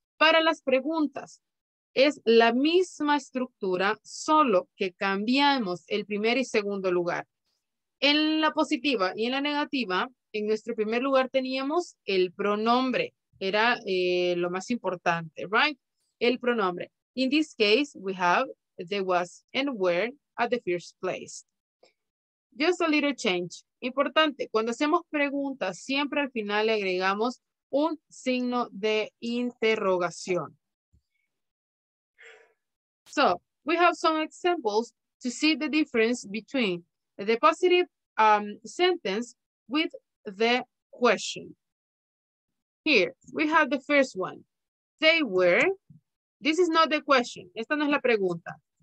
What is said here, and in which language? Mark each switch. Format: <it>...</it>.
<es>Para las preguntas, es la misma estructura, solo que cambiamos el primer y segundo lugar. En la positiva y en la negativa, en nuestro primer lugar teníamos el pronombre. Era lo más importante, right? El pronombre.</es> <en>In this case, we have the was and were at the first place. Just a little change.</en> <es>Importante, cuando hacemos preguntas, siempre al final le agregamos un signo de interrogación.</es> <en>So, we have some examples to see the difference between the positive sentence with the question. Here, we have the first one. They were, this is not the question,</en> <es>esta no es la pregunta.</es>